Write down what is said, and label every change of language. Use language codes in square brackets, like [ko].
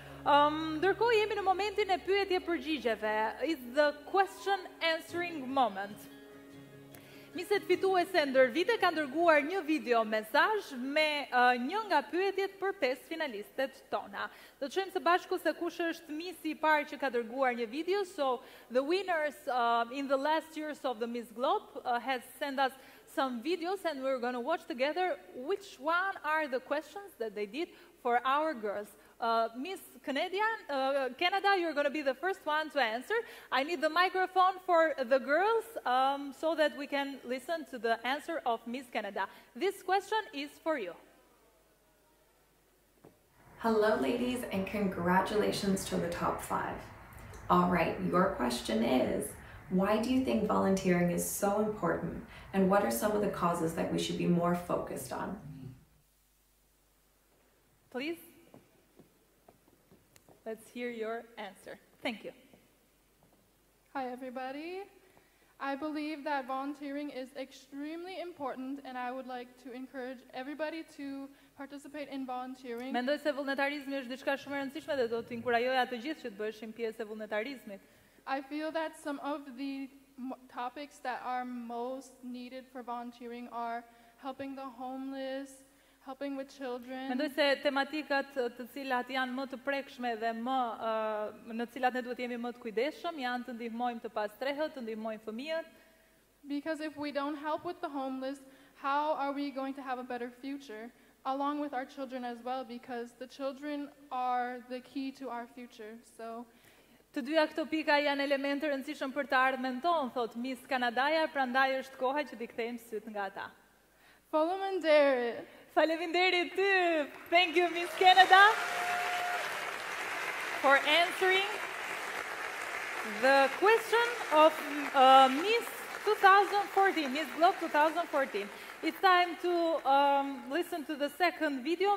[sq] Ndërkohë jemi në momentin e pyetje-përgjigjeve. [en] It's the question answering moment. [sq] Miset fituese ndër vite kanë dërguar një video mesazh me një nga pyetjet për 5 finalistet tona. Do të shohim së bashku se kush është misi I parë që ka dërguar një video. [en] So the winners in the last years of the Miss Globe has sent us some videos and we're going to watch together which one are the questions that they did for our girls. Miss Canadian, Canada, you're going to be the first one to answer. I need the microphone for the girls so that we can listen to the answer of Miss Canada. This question is for you. Hello, ladies, and congratulations to the top five. All right, your question is, why do you think volunteering is so important, and what are some of the causes that we should be more focused on? Please. Let's hear your answer. Thank you. Hi, everybody. I believe that volunteering is extremely important, and I would like to encourage everybody to participate in volunteering. [sq] Mendoj se vullnetarizmi është diçka shumë e rëndësishme dhe do të inkurajoja të gjithë që të bëheshin pjesë e vullnetarizmit. [en] I feel that some of the topics that are most needed for volunteering are helping the homeless, helping with children. [sq] Mendoj se tematikat të cilat janë më të prekshme dhe më në të cilat ne duhet jemi më të kujdesshëm janë të ndihmojmë të pastrehet, të ndihmojmë fëmijët. [en] Because if we don't help with the homeless, how are we going to have a better future along with our children as well, because the children are the key to our future. So [sq] të dyja këto pika janë elemente rëndësishëm për të ardhmen tonë, thot Miss Kanadaja, prandaj është koha që t'i kthejmë syt nga ata. Faleminderit. Faleminderit ty. [en] Thank you, Miss Canada, for answering the question of Miss 2014, Miss Globe 2014. It's time to listen to the second video.